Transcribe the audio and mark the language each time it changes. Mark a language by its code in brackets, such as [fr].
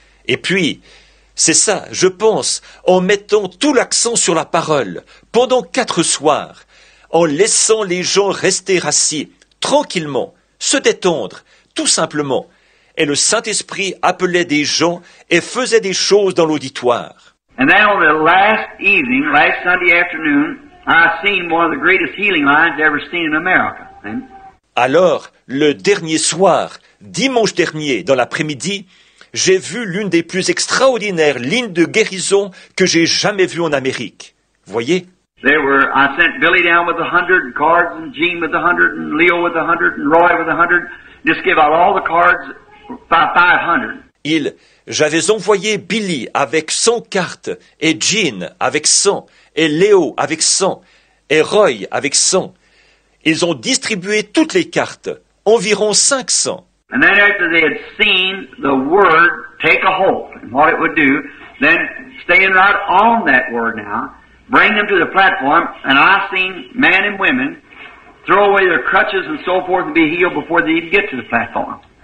[fr] Et puis, c'est ça, je pense, en mettant tout l'accent sur la parole, pendant 4 soirs, en laissant les gens rester assis, tranquillement, se détendre, tout simplement. Et le Saint-Esprit appelait des gens et faisait des choses dans l'auditoire. [en] And then on the last evening, last Sunday afternoon, I seen one of the greatest healing lines ever seen in America. [fr] Alors, le dernier soir, dimanche dernier, dans l'après-midi, j'ai vu l'une des plus extraordinaires lignes de guérison que j'ai jamais vues en Amérique. Voyez. [en] I sent Billy down with 100, and cards, and Gene with 100, and Leo with 100, and Roy with 100. Just give out all the cards by 500. [fr] Il, J'avais envoyé Billy avec 100 cartes, et Jean avec 100, et Léo avec 100, et Roy avec 100. Ils ont distribué toutes les cartes, environ 500. [en] And then after they had seen the word take a hold and what it would do, then staying right on that word now, bring them to the platform, and I seen men and women throw away their crutches and so forth and be healed before they even get to the platform.